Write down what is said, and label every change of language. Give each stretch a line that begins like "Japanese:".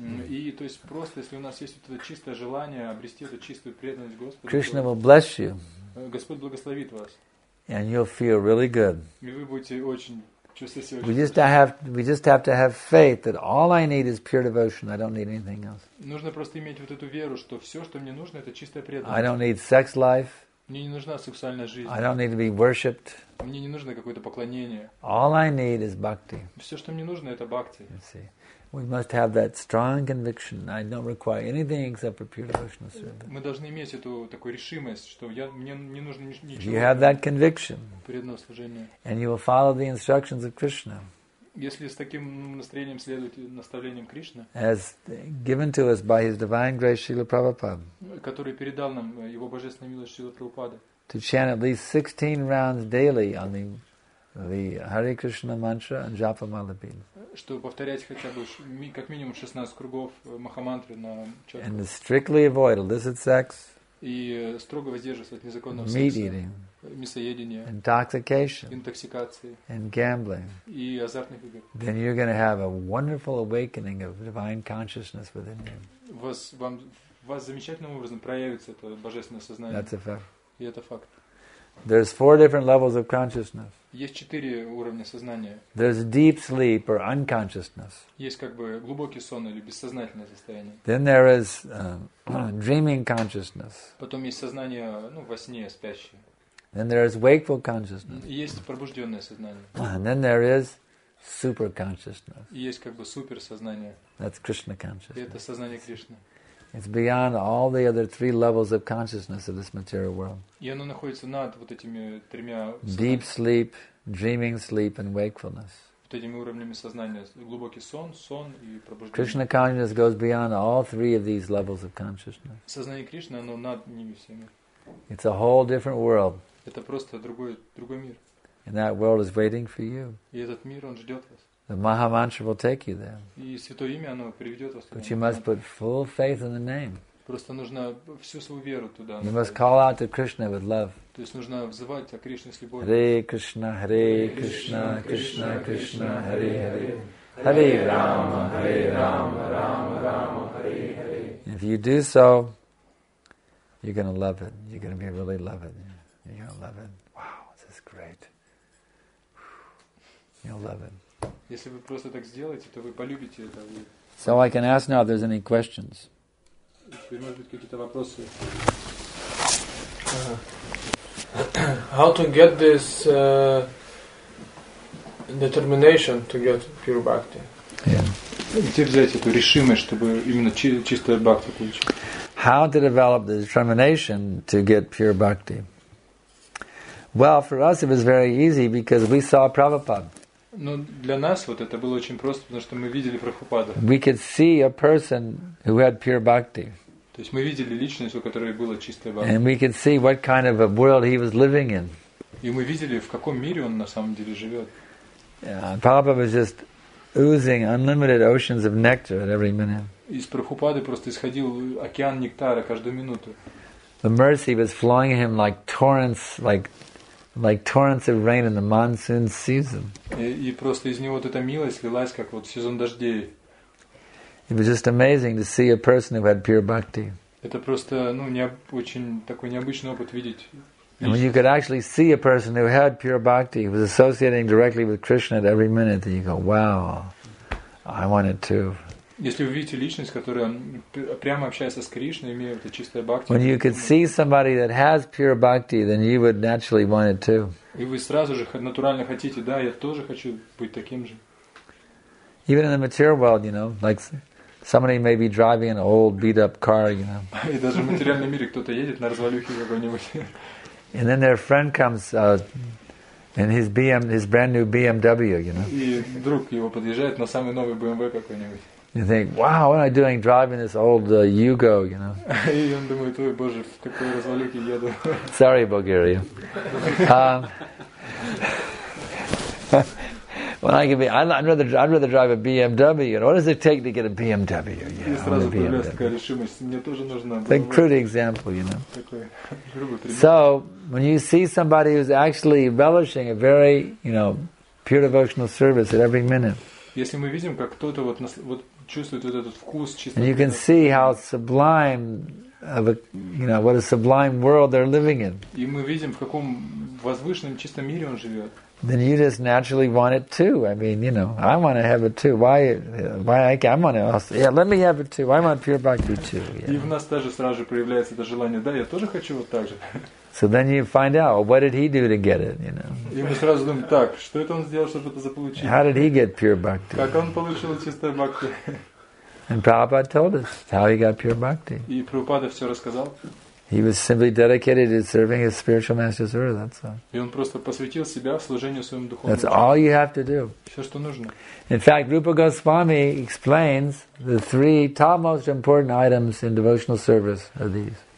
Russian: И то есть просто, если у нас есть это чистое желание обрести эту чистую преданность Господу,
English: Krishna will bless you.
Russian: Господь благословит вас.
English: And you'll feel really good.
Russian: И вы будете очень чувствовать себя.
English: We just have to have faith that all I need is pure devotion. I don't need anything else.
Russian: Нужно просто иметь вот эту веру, что все, что мне нужно, это чистая преданность.
English: I don't need sex life.
Russian: Мне не нужна сексуальная жизнь.
English: I don't need to be worshipped.
Russian: Мне не нужно какое-то поклонение.
English: All I need is bhakti.
Russian: Все, что мне нужно, это бхакти.
English: You see, we must have that strong conviction. I don't require anything except for pure devotional service.
Russian: Мы должны иметь эту такую решимость, что мне не нужно ничего.
English: You have that conviction.
Russian: Преданное служение.
English: And you will follow the instructions of Krishna.
Russian: Если с таким настроением следовать наставлениям Кришны,
English: as given to us by His divine grace Srila Prabhupada,
Russian: который передал нам Его божественная милость Шрила Прабхупада,
English: to chant at least 16 rounds daily on the Hare Krishna mantra and Japa Mala bead.
Russian: Чтобы повторять хотя бы как минимум 16 кругов махамантры на чётку.
English: And strictly avoid illicit sex.
Russian: И строго воздерживаться от незаконного секса.
English: Meat eating.
Russian: Мясоедения.
English: Intoxication.
Russian: Интоксикации.
English: And gambling.
Russian: И азартных игр.
English: Then you're going to have a wonderful awakening of divine consciousness within you.
Russian: Вас замечательным образом проявится это божественное сознание.
English: That's a fact.
Russian: И это факт.
English: There's four different levels of consciousness.
Russian: Есть четыре уровня сознания.
English: There's deep sleep or unconsciousness.
Russian: Есть как бы глубокий сон или бессознательное состояние.
English: Then there is dreaming consciousness.
Russian: Потом есть сознание, ну, во сне спящее.
English: Then there is wakeful consciousness.
Russian: Есть пробужденное сознание.
English: And then there is super consciousness.
Russian: Есть как бы суперсознание.
English: That's Krishna consciousness.
Russian: И это сознание Кришны.
English: It's beyond all the other three levels of consciousness of this material world.
Russian: И оно находится над вот этими тремя.
English: Deep sleep, dreaming sleep, and wakefulness.
Russian: Вот этими уровнями сознания: глубокий сон и пробуждение.
English: Krishna consciousness goes beyond all three of these levels of consciousness.
Russian: Сознание Кришны, оно над ними всеми.
English: It's a whole different world.
Russian: Это просто другой мир.
English: And that world is waiting for you.
Russian: И этот мир, он ждет вас.
English: The Maha Mantra will take you there.
Russian: И святое имя, оно приведет вас туда.
English: But you must put full faith in the name.
Russian: Просто нужно всю свою веру туда.
English: You must call out to Krishna with love.
Russian: То есть нужно взывать о Кришне с любовью.
Sanskrit: Hare Krishna, Hare Krishna, Krishna Krishna, Hare Hare. Hare Rama, Hare Rama, Rama Rama, Hare Hare.
English: If you do so, you're going to love it. You're going to be really loving it. You're going to love it. Wow, this is great. You'll love it.
Russian: Если вы просто так сделаете, то вы полюбите это.
English: So I can ask now if there's any questions.
Russian: Теперь, может быть, какие-то вопросы.
English: How to get this determination to get pure bhakti.
Russian: Где взять эту решимость, чтобы именно чистую бхакти получить?
English: How to develop the determination to get pure bhakti? Well, for us it was very easy because we saw Prabhupada.
Russian: Но для нас вот это было очень просто, потому что мы видели Прабхупаду.
English: We could see a person who had pure bhakti.
Russian: То есть мы видели личность, у которой было чистое бхакти.
English: And we could see what kind of a world he was living in.
Russian: И мы видели, в каком мире он на самом деле живет.
English: Prabhupada was just oozing unlimited oceans of nectar at every minute.
Russian: Из Прабхупады просто исходил океан нектара каждую минуту.
English: The mercy was flowing him like torrents, like torrents of rain in the monsoon season.
Russian: И просто из него вот эта милость лилась, как вот сезон дождей.
English: It was just amazing to see a person who had pure bhakti.
Russian: Это просто, ну, не очень такой необычный опыт видеть.
English: And when you could actually see a person who had pure bhakti, who was associating directly with Krishna at every minute, then you go, "Wow, I want it too."
Russian: Если вы видите личность, которая прямо общается с Кришной, имея это чистое бхакти.
English: When you could see somebody that has pure bhakti, then you would naturally want it too.
Russian: И вы сразу же натурально хотите, да, я тоже хочу быть таким же.
English: Even in the material world, you know, like somebody may be driving an old beat-up car, you know.
Russian: И даже в материальном мире кто-то едет на развалюхе какой-нибудь.
English: And then their friend comes in his BM, his brand new BMW, you know.
Russian: И друг его подъезжает на самый новый BMW какой-нибудь.
English: You think, wow, what am I doing driving this old Yugo, you know?
Russian: И он думает, ой, боже, в какой развалюхе еду.
English: Sorry, Bulgaria. When I can be, I'd rather drive a BMW. You know, what does it take to get a BMW? Yeah, BMW. A crude example, you know. So when you see somebody who's actually relishing a very, you know, pure devotional service at every minute, and you can see how sublime of a, you know, what a sublime world they're living in.
Russian: И мы видим, в каком возвышенном чистом мире он живет.
English: Then you just naturally want it too. I mean, you know, I want to have it too. Why? I want to. Yeah, let me have it too. I want pure bhakti too.
Russian: И в нас тоже сразу же проявляется это желание. Да, я тоже хочу вот так же.
English: So then you find out, well, what did he do to get it? You know.
Russian: И мы сразу думаем, так, что это он сделал, чтобы это заполучить?
English: How did he get pure bhakti?
Russian: Как он получил чистое бхакти?
English: And Prabhupada told us how he got pure bhakti.
Russian: И Прабхупада все рассказал.
English: He was simply dedicated to serving his spiritual master, Sura, that's all.
Russian: И он просто посвятил себя служению своему духовному.
English: That's all you have to do.
Russian: Все, что нужно.
English: In fact, Rupa Goswami explains the three top most important items in devotional service are these.